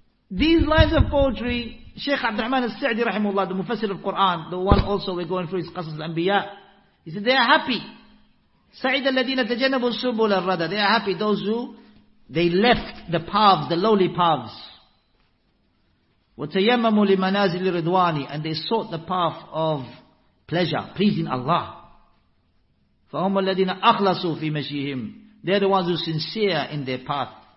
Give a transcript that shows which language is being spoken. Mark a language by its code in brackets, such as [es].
[en] These lines of poetry, Sheikh Abd al-Rahman al-Sa'di rahimahullah, the Mufassir of Quran, the one also we're going through is Qasas al-Anbiya. He said they are happy. [ar] سعد الذين تجنبوا سبل الردى. [en] They are happy, those who they left the paths, the lowly paths. [ar] وَتَيَمَّمُوا لِمَنَازِلِ رِضْوَانِ. [en] And they sought the path of pleasure, pleasing Allah. [ar] فَهُمَ الَّذِينَ أَخْلَصُوا فِي مَشِيهِمْ. [en] They're the ones who are sincere in their path.